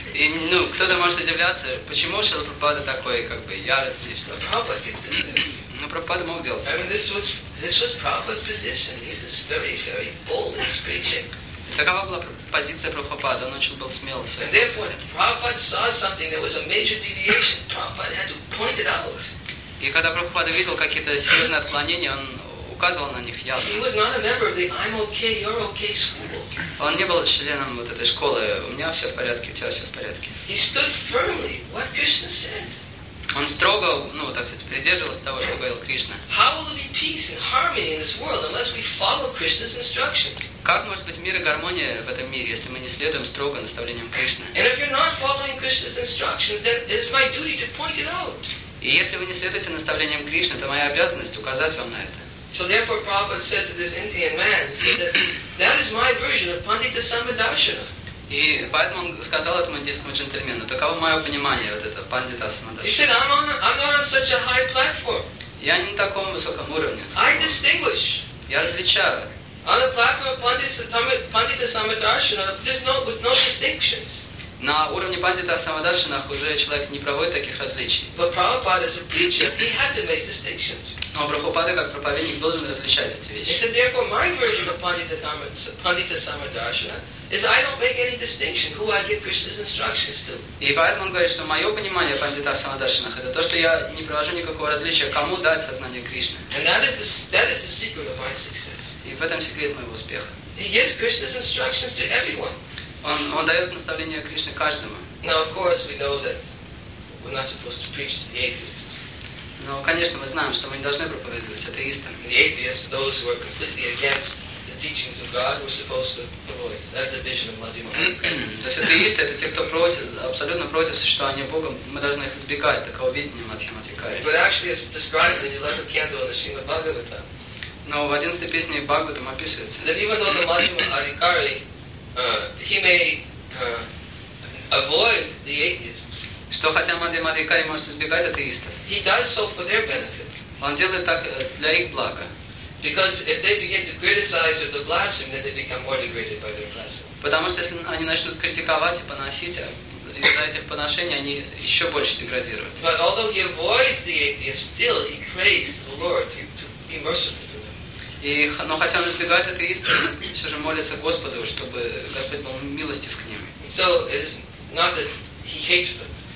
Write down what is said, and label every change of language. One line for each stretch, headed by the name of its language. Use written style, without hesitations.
Russian: И, ну, кто-то может удивляться, почему Шрила Прабхупада такой, как бы, яростный, что-то. Но Прабхупада мог делать.
English: I mean, this was Prabhupada's position. He was very, very bold in his preaching.
Russian: Такова была позиция Прабхупады, он очень был смел.
English: And therefore, if Prabhupada saw something that was a major deviation, Prabhupada had to point it out.
Russian: И когда Прабхупада видел какие-то серьезные отклонения, он указывал на них явно.
English: He was not a member of the I'm okay, you're okay school.
Russian: Он не был членом вот этой школы. У меня все в порядке, у тебя все в порядке.
English: He stood firmly what Krishna said.
Russian: Он строго, ну, так сказать, придерживался того, что говорил Кришна.
English: How will there be peace and harmony in this world unless we follow Krishna's instructions?
Russian: Как может быть мир и гармония в этом мире, если мы не следуем строго наставлениям Кришны?
English: And if you're not following Krishna's instructions, then it's my duty to point it out.
Russian: И если вы не следуете наставлениям Кришны, это моя обязанность указать вам на это.
English: So therefore, Prabhupada said to this Indian man, he said that is my version of Pandita Samadarshana.
Russian: И поэтому он сказал этому индийскому джентльмену, таково мое понимание вот этого Пандита Самадарши.
English: He said, I'm on such a high platform.
Russian: Я не на таком высоком уровне.
English: I distinguish.
Russian: Я различаю.
English: On the platform of Pandita Samadarshana, there's no distinctions.
Russian: На уровне Пандита Самадарши уже человек не проводит таких различий.
English: But Prabhupada is a preacher, he had to make distinctions.
Russian: Но Прабхупада как проповедник должен различать эти вещи.
English: He said, therefore, my version of Pandita Samadarshana is I don't make any distinction who I give Krishna's instructions to.
Russian: И поэтому он говорит, что мое понимание Пандита Самадарши это то, что я не провожу никакого различия, кому дать сознание Кришны.
English: And that is the secret of my success.
Russian: И в этом секрет моего успеха.
English: He gives Krishna's instructions to everyone.
Russian: Он дает наставление Кришне каждому.
English: Now, of course, we know that we're not supposed to preach to the atheists.
Russian: Но, конечно, мы знаем, что мы не должны проповедовать атеистам.
English: The atheists, those who are completely against the teachings of God, we're supposed to avoid. That's the vision of Madhyama.
Russian: То есть атеисты — это те, кто абсолютно против существования Бога. Мы должны их избегать, такого видения Мадхьяма Тхикари.
English: But actually, it's described in the 11th canto of the Srimad Bhagavatam.
Russian: Но в 11-й песне Бхагаватам описывается.
English: That even though the Madhyama Adhikari avoid the atheists.
Russian: Что хотя Мадхьяма Адхикари может избегать атеистов.
English: He does so for their benefit.
Russian: Он делает так для их блага.
English: Because if they begin to criticize or to blaspheme, then they become more degraded by their blasphemy.
Russian: Потому что если они начнут критиковать и поносить, из-за этих поношений они еще больше деградируют.
English: But although he avoids the atheists, still he prays to the Lord to be merciful.
Russian: Но хотя он избегает атеистов, все же молится Господу, чтобы Господь был милостив к ним.
English: So it is not that he hates them.